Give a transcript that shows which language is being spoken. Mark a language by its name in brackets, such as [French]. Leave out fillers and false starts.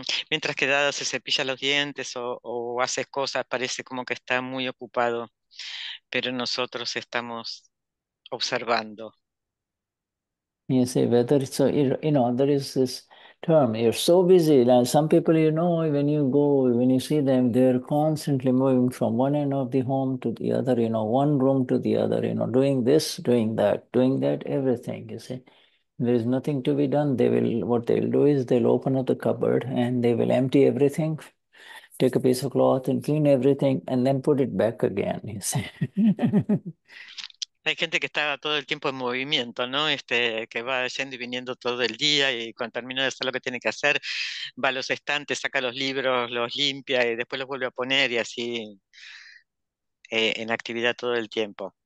[Spanish] Mientras que Dada se cepilla los dientes o hace cosas, parece como que está muy ocupado, pero nosotros estamos observando. [English] You see, whether it's, you know, there is this term, you're so busy. Like some people, you know, when you go, when you see them, they're constantly moving from one end of the home to the other, you know, one room to the other, you know, doing this, doing that, everything, you see. There is nothing to be done. What they'll do is they'll open up the cupboard and they will empty everything, take a piece of cloth and clean everything and then put it back again, you see. [Spanish] Hay gente que está todo el tiempo en movimiento, ¿no? Este, que va yendo y viniendo todo el día y cuando termina de hacer lo que tiene que hacer, va a los estantes, saca los libros, los limpia y después los vuelve a poner y así en actividad todo el tiempo.